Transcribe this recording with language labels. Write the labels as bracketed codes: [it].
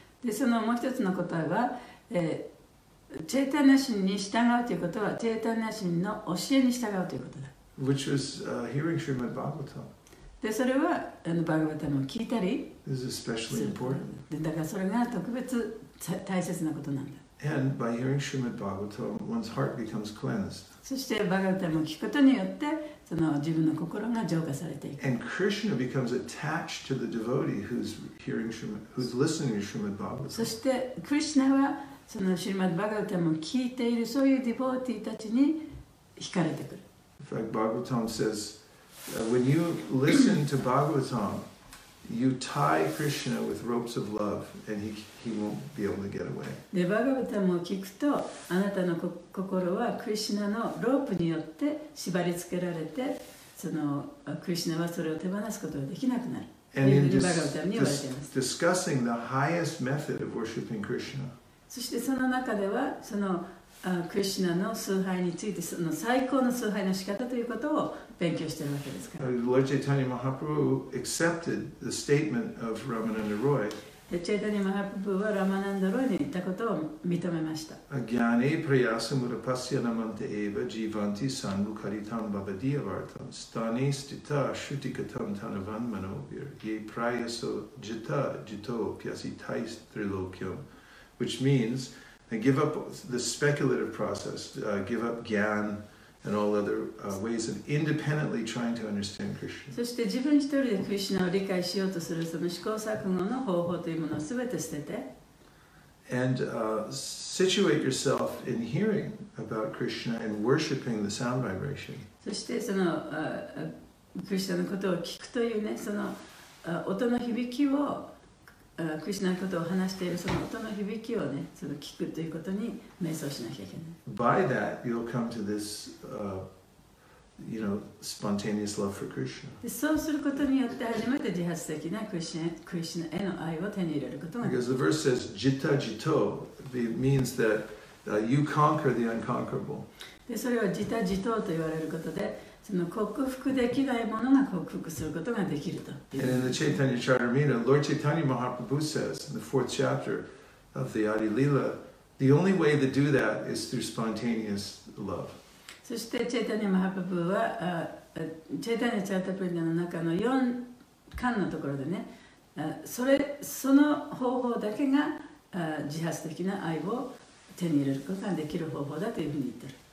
[ja] で、そのもう一つの答えは、チェイタニア神に従うということはチェイタニア神の教えに従うということだ。 [en] Which was hearing Srimad Bhagavatam. [ja] で、それはバグバタムを聞いたり。 [en] This is especially important. [ja] で、だからそれが特別大切なことなんだ。 [en] And by hearing Srimad Bhagavatam, one's heart becomes cleansed. [ja] そしてバグバタムを聞くことによって、その自分の心が浄化されていく。 [en] And Krishna becomes attached to the devotee who's hearing Srimad, who's listening to Srimad Bhagavatam. [ja] そして Krishna はそのシュリマッド・バガヴァタムを聞いているそういうディボーティーたちに惹かれてくる。 [en] In fact, Bhagavatam says, when you listen to Bhagavatam, you tie Krishna with ropes of love, and he won't be able to get away. [ja] で、バガヴァタムを聞くと、あなたの心はクリシナのロープによって縛り付けられて、そのクリシナはそれを手放すことができなくなる。 [en] And in discussing the highest method of worshiping Krishna. [ja] そしてその中ではそのクリシュナの崇拝についてその最高の崇拝の仕方ということを勉強しているわけですから。 [en] Lord Chaitanya Mahaprabhu accepted the statement of Ramananda Roy. [ja] Chaitanya Mahaprabhu はラマナンダロイに言ったことを認めました。 [sa] Agyane prayasamura pasya namante eva jivanti sanmukaritam bhavadiyavartam stane stita shutikatam tanavan manovir ye prayaso jita jito pyasitais trilokyam. [en] Which means, they give up the speculative process, give up gyan and all other ways of independently trying to understand Krishna. [ja] そして自分一人でクリシュナを理解しようとするその試行錯誤の方法というものをすべて捨てて。 [en] And situate yourself in hearing about Krishna and worshiping the sound vibration. [ja] そしてそのクリシュナのことを聞くというね、その音の響きをクリシュナのことを話しているその音の響きをね、その聞くということに瞑想しなきゃいけない。 [en] By that, you'll come to this, you know, spontaneous love for Krishna. [ja] で、そうすることによって初めて自発的なクリシュナへの愛を手に入れることができる。 [en] Because the verse says, "Jita jito," it means that you conquer the unconquerable. [ja] で、それはジタジトと言われることで。その克服できないものが克服することができると。 [en] And in the Chaitanya Charitamrita, Lord Chaitanya Mahaprabhu says in the fourth chapter of the Adi Lila, the only way to do that is through spontaneous love. [ja] そしてChaitanya Mahaprabhu は、Chaitanya Charitamrita の中の4巻のところでね、その方法だけが、自発的な愛を手に入れることができる方法だというふうに言ってる。